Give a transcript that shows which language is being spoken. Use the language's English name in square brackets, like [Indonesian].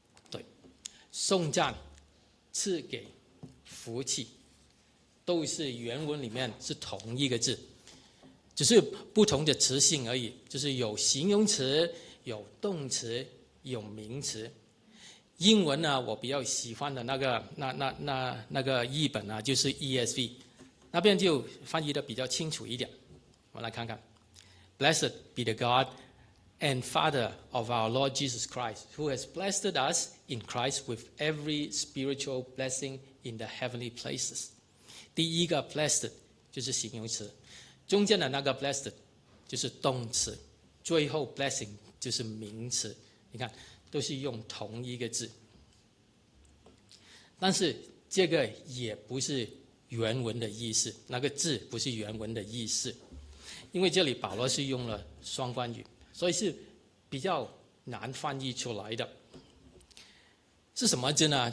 [Chinese] 对，颂赞赐给福气都是原文里面是同一个字，只是不同的词性而已，就是有形容词有动词有名词。英文呢，我比较喜欢的那个译本呢，就是 ESV， 那边就翻译的比较清楚一点。我们来看看 [English] ，Blessed be the God and Father of our Lord Jesus Christ, who has blessed us in Christ with every spiritual blessing in the heavenly places。 [Chinese] 第一个 blessed 就是形容词，中间的那个 blessed 就是动词，最后 blessing 就是名词。你看。都是用同一个字，但是这个也不是原文的意思，那个字不是原文的意思，因为这里保罗是用了双关语，所以是比较难翻译出来的。是什么字呢？